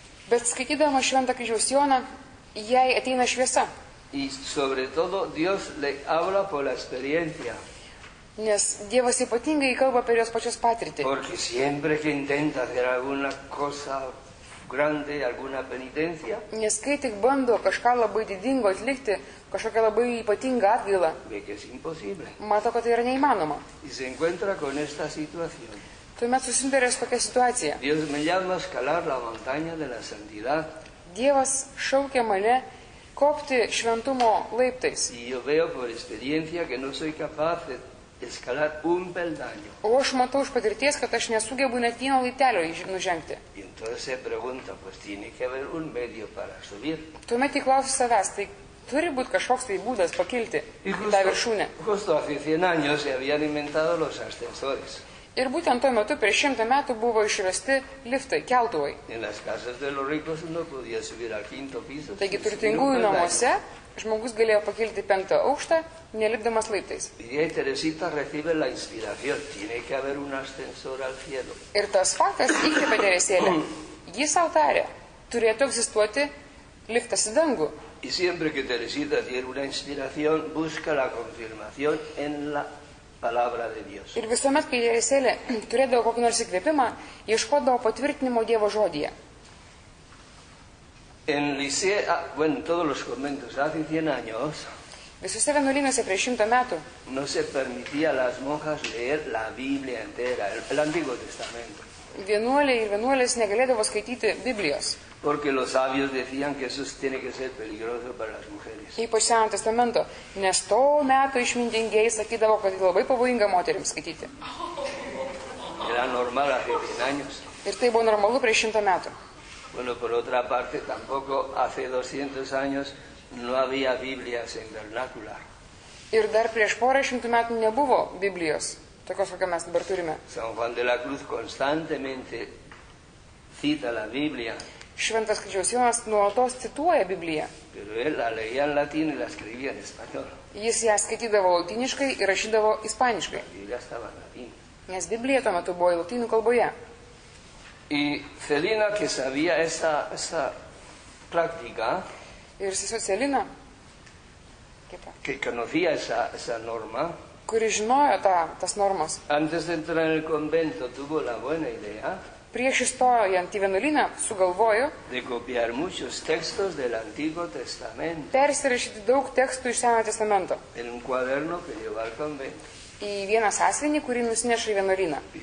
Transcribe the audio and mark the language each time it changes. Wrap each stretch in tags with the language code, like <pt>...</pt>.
<lt>Bet skaitydama šventą kryžiaus Joną, jai ateina šviesa.</lt> <es>Y sobre todo Dios le habla por la experiencia.</es> <lt>Nes Dievas ypatingai kalba per jos pačios patirtį.</lt> <es>Porque siempre que intenta hacer alguna cosa grande, alguna penitencia.</es> <lt>Nes kai tik bando kažką labai didingo atlikti, kažkokią labai ypatingą atgailą. Mato, kad tai yra neįmanoma.</lt> <es>Y se encuentra con esta situación.</es> <lt>Tuomet susiduria su tokia situacija.</lt> <es>Dios me llama a escalar la montaña de la santidad.</es> <lt>Dievas šaukia mane kopti šventumo laiptais.</lt> <es>Y yo veo por experiencia que no soy capaz de escalar un peldaño.</es> <lt>O aš matau iš patirties, kad aš nesugebu net vieno laitelio nužengti.</lt> <es>Y entonces se pregunta, pues tiene que haber un medio para subir.</es> <lt>Tuomet įklausiu savęs, tai turi būti kažkoks tai būdas pakilti į tą viršūnę.</lt> <es>Justo hace 100 años se habían inventado los ascensores.</es> <lt>Ir būtent tuo metu, prieš 100 metų, buvo išrasti liftai, keltuvai.</lt> <es>En las casas de los ricos uno podía subir al quinto piso.</es> <lt>Taigi turtingųjų namuose žmogus galėjo pakilti penktą aukštą, nelipdamas laiptais.</lt> <es>Teresita recibe la inspiración. Tiene que haber un ascensor al cielo.</es> <lt>Ir tas faktas įkvėpė Teresėlę. Ji sau tarė, turėtų egzistuoti liftas į dangų.</lt> <es>Y siempre que Teresita tiene una inspiración, busca la confirmación en la palabra de Dios.</es> <lt>Ir visuomet, kai Teresėlė turėdavo kokį nors įkvėpimą, ieškodavo patvirtinimo Dievo žodyje.</lt> <es>En Lycée, bueno, todos los conventos, hace 100 años.</es> <lt>Visuose vienuolynuose prieš 100 metų.</lt> <es>No se permitía a las monjas leer la Biblia entera, el Antiguo Testamento.</es> <lt>Vienuoliai ir vienuolės negalėdavo skaityti Biblijos.</lt> <es>Porque los sabios decían que eso tiene que ser peligroso para las mujeres.</es> <lt>Ypač Senojo Testamento, nes to meto išmintingieji sakydavo, kad labai pavojinga moterims skaityti.</lt> <es>Era normal hace 100 años.</es> <lt>Ir tai buvo normalu prieš 100 metų.</lt> <es>Bueno, por otra parte, tampoco hace 200 años no había Biblias en vernacular.</es> <lt>Ir dar prieš porą šimtų metų nebuvo Biblijos, tokios, kokią mes dabar turime.</lt> <es>San Juan de la Cruz constantemente cita la Biblia.</es> <lt>Šventas kryžiaus Jonas nuolatos cituoja Bibliją.</lt> <es>Pero él la leía en latín y la escribía en español.</es> <lt>Jis ją skaitydavo lotiniškai ir rašydavo ispaniškai.</lt> <es>Biblia estaba en latín.</es> <lt>Nes Biblija tuo metu buvo lotynų kalboje.</lt> <es>Y Celina, que sabía esa práctica,</es> <lt>ir sesuo Celina,</lt> <es>que conocía esa norma,</es> <lt>kuri žinojo tas normas,</lt> <es>antes de entrar en el convento tuvo la buena idea,</es> <lt>prieš įstojant į vienuolyną sugalvojo,</lt> <es>de copiar muchos textos del Antiguo Testamento,</es> <lt>persirašyti daug tekstų iš Senojo Testamento,</lt> <es>en un cuaderno que llevó al convento.</es> <lt>Į vieną sąsvinį, kurį nusineša į vienuolyną.</lt>